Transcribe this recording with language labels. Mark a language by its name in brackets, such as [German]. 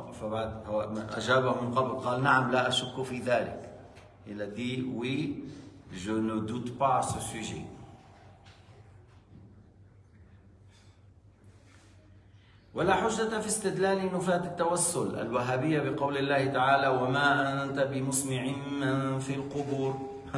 [Arabic] فبعد أجابه من قبل قال نعم لا أشك في ذلك. [French] Il a dit oui je ne doute pas à ce sujet. [Arabic] ولا حجة في استدلال نفاة التوسل الوهابية بقول الله تعالى وما أنت بمسمع من في القبور.